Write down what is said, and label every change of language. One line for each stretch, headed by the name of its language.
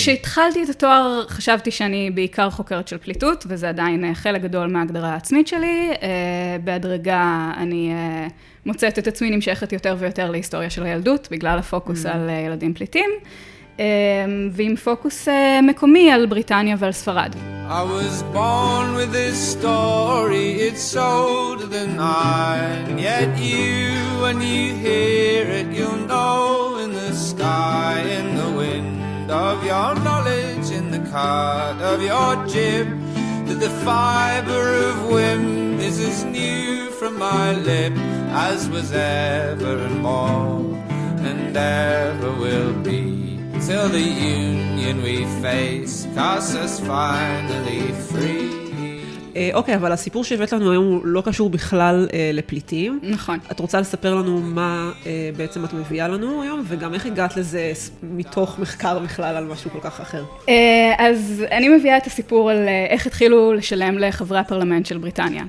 Hebrew: כשהתחלתי את התואר חשבתי שאני בעיקר חוקרת של פליטות, וזה עדיין חלק גדול מההגדרה העצמית שלי. בהדרגה אני מוצאת את עצמי נמשכת יותר ויותר להיסטוריה של הילדות, בגלל הפוקוס על ילדים פליטים, ועם פוקוס מקומי על בריטניה ועל ספרד.
English: I was born with this story, it's older than I, and yet you, when you hear it, you'll know in the sky, in the wind of your knowledge, in the cut of your jib, that the fiber of whim is as new from my lip as was ever and more and ever will be. Till the union we face casts us finally free.
Hebrew: אוקיי, אבל הסיפור שהבאת לנו היום הוא לא קשור בכלל לפליטים. נכון. את רוצה לספר לנו מה בעצם את מביאה לנו היום, וגם איך הגעת לזה מתוך מחקר בכלל על משהו כל כך אחר? אז אני מביאה את הסיפור על איך התחילו לשלם לחברי הפרלמנט של בריטניה.